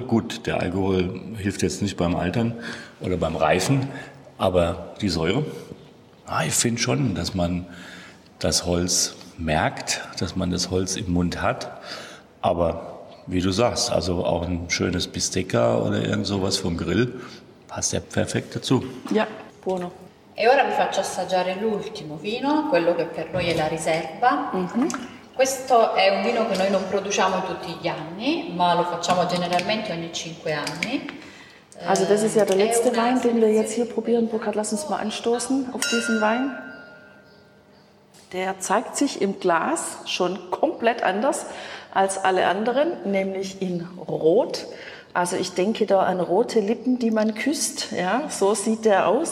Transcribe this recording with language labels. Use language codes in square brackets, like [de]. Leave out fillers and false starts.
[de] Gut, der Alkohol hilft jetzt nicht beim Altern oder beim Reifen, aber die Säure. Ah, ich finde schon, dass man das Holz merkt, dass man das Holz im Mund hat. Aber wie du sagst, also auch ein schönes Bistecca oder irgend sowas vom Grill passt ja perfekt dazu. Ja, buono. [it] E ora vi faccio assaggiare l'ultimo vino, quello che per noi è la riserva. Questo è un vino che noi non produciamo tutti gli anni, ma lo facciamo generalmente ogni 5 anni. [de] Also das ist ja der letzte Wein, den wir jetzt hier probieren. Burkhard, lass uns mal anstoßen auf diesen Wein. Der zeigt sich im Glas schon komplett anders als alle anderen, nämlich in Rot. Also ich denke da an rote Lippen, die man küsst. Ja, so sieht der aus.